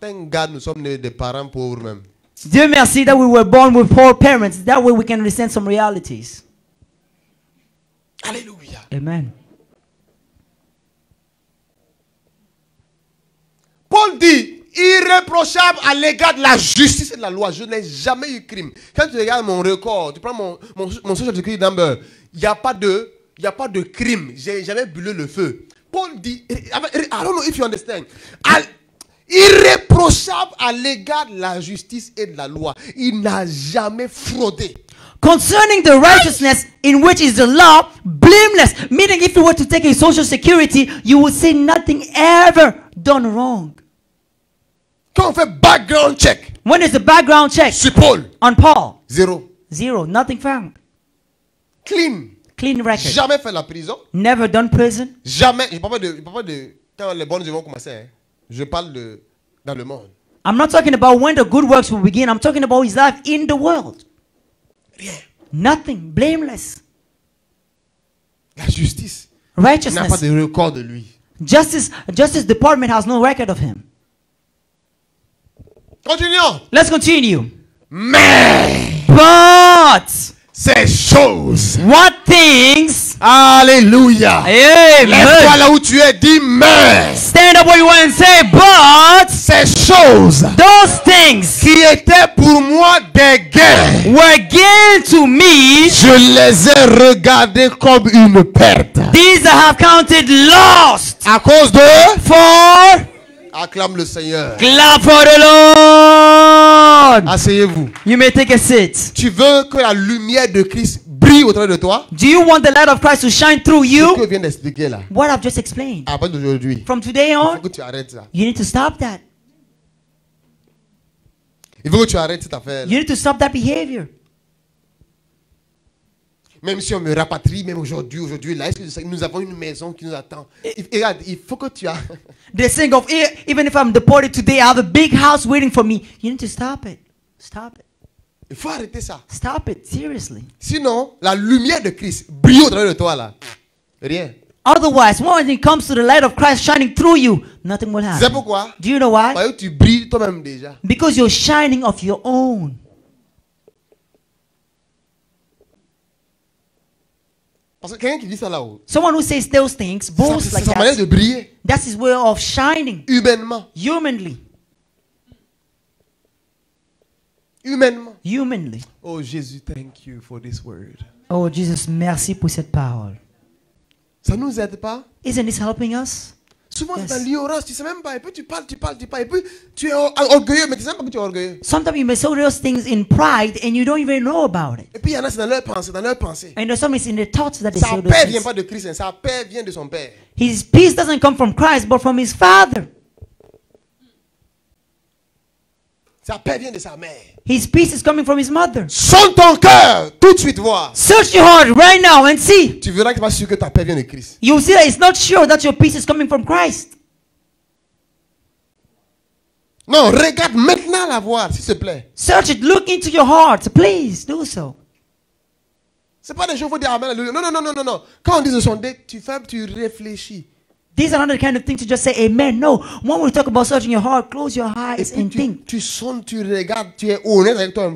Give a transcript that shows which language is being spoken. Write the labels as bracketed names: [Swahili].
[English] Thank God, [French] nous sommes nés des parents pauvres même. Dieu merci [English] that we were born with poor parents. That way we can understand some realities. Alléluia. Amen. [French] Paul dit, irréprochable à l'égard de la justice et de la loi. Je n'ai jamais eu crime. Quand tu regardes mon record, tu prends mon [English] social security number, [French] il n'y a pas de crime. J'ai jamais brûlé le feu. Paul dit, [English] I don't know if you understand. [French] Irréprochable à l'égard de la justice et de la loi. Il n'a jamais fraudé. [English] Concerning the righteousness in which is the law, blameless. Meaning if you were to take a social security, you would say nothing ever done wrong. [French] Quand on fait background check. [English] When is the background check? [French] Sur Paul. [English] On Paul. Zero. Zero. Nothing found. Clean. Clean record. [French] Jamais fait la prison. [English] Never done prison. [French] Jamais. Je parle pas de quand les bonnes choses vont commencer. Hein. Je parle de dans le monde. [English] I'm not talking about when the good works will begin. I'm talking about his life in the world. [French] Rien. [English] Nothing. Blameless. [French] La justice. [English] Righteousness. [French] N'a pas de record de lui. [English] Justice department has no record of him. [French] Continuons. [English] Let's continue. [French] Mais. [English] But. [French] Ces choses. [English] What things. Alléluia. Amen. [French] Lève-toi là où tu es, dis mais. [English] Stand up where you are and say but. [French] Ces choses. [English] Those things. [French] Qui étaient pour moi des gains. [English] Were gain to me. [French] Je les ai regardés comme une perte. [English] These I have counted lost. [French] À cause de. [English] For. [French] Acclame le Seigneur. [English] Clap for the Lord. [French] Asseyez-vous. [English] You may take a seat. [French] Tu veux que la lumière de Christ brille au travers de toi? [English] Do you want the light of Christ to shine through you? [French] Ce que je viens d'expliquer là. [English] What I've just explained. [French] À partir d'aujourd'hui. [English] From today on. [French] Il faut que tu arrêtes ça. [English] You need to stop that. [French] Il faut que tu arrêtes cette affaire. [English] You need to stop that behavior. [French] Même si on me rapatrie, même aujourd'hui, là, est-ce que nous avons une maison qui nous attend? Regarde, il faut que tu as. [English] They sing of even if I'm deported today, I have a big house waiting for me. You need to stop it. Stop it. [French] Il faut arrêter ça. [English] Stop it, seriously. [French] Sinon, la lumière de Christ brille au travers de toi là. Rien. [English] Otherwise, when it comes to the light of Christ shining through you, nothing will happen. [French] C'est pourquoi? [English] Do you know why? [French] Parce que tu brilles toi-même déjà. [English] Because you're shining of your own. [French] Parce que quelqu'un qui dit ça là-haut. [English] Someone who says those things boasts like [French] that. Sa manière de briller. [English] That's his way of shining. [French] Humainement. [English] Humanly. [French] Humainement. [English] Humanly. Oh Jésus, thank you for this word. [French] Oh Jesus, merci pour cette parole. Ça nous aide pas? [English] Isn't this helping us? [French] Souvent yes. Dans l'ignorance, tu sais même pas. Et puis tu parles. Et puis tu es orgueilleux, mais tu sais même pas que tu es orgueilleux. [English] Sometimes you may say those things in pride, and you don't even know about it. [French] Et puis il y en a, c'est dans leur pensée, dans leur pensée. [English] And some is in the thoughts that they sa say. [French] Sa paix [English] those [French] vient pas de Christ, sa paix vient de son père. [English] His peace doesn't come from Christ, but from his father. [French] Sa paix vient de sa mère. [English] His peace is coming from his mother. [French] Sonde ton cœur, tout de suite voir. [English] Search your heart right now and see. [French] Tu verras que tu vas sûr que ta paix vient de Christ. [English] You see that it's not sure that your peace is coming from Christ. [French] Non, regarde maintenant la voir, s'il te plaît. [English] Search it, look into your heart, please do so. [French] C'est pas des choses où dire amen, alléluia. Non. Quand on dit de sonder, tu fais, tu réfléchis. [English] These are not the kind of thing to just say amen. No. When we talk about searching your heart, close your eyes [French] et puis [English] and think. [French] Tu sondes, tu regardes, tu es honnête avec toi.